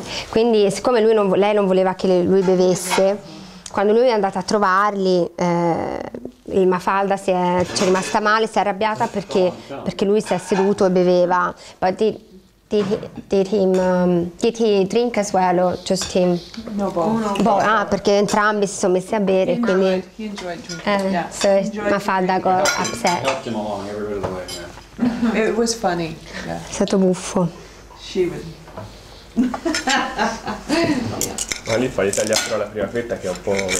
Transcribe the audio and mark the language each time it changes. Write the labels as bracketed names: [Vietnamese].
[Italian] Quindi siccome lei non voleva che lui bevesse, quando lui è andato a trovarli, il Mafalda ci è rimasta male, si è arrabbiata perché lui si è seduto e beveva. [English] But did he drink as well or just him? No, both. Both. [Italian] Ah, perché entrambi si sono messi a bere, [English] he [Italian] quindi. [English] Enjoyed, he enjoyed drinking. So Mafalda got upset. Helped him along every bit of the way. Yeah. It was funny. Yeah. [Italian] È stato buffo. [English] She would. [Italian] Ma lì fagli tagliare però la prima fetta che è un po'.